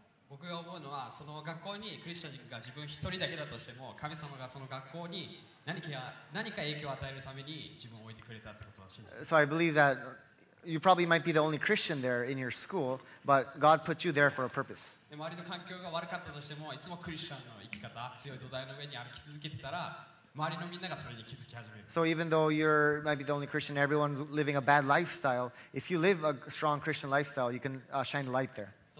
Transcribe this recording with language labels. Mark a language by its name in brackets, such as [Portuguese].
[Japanese] 僕が思うのは、その学校にクリスチャンが自分一人だけだとしても、神様がその学校に何か影響を与えるために自分を置いてくれたってことは信じます。 [English] So I believe that you probably might be the only Christian there in your school, but God put you there for a purpose. [Japanese] 周りの環境が悪かったとしても、いつもクリスチャンの生き方、強い土台の上に歩き続けてたら、周りのみんながそれに気づき始める。 [English] So even though you might be the only Christian, everyone living a bad lifestyle, if you live a strong Christian lifestyle, you can shine light there.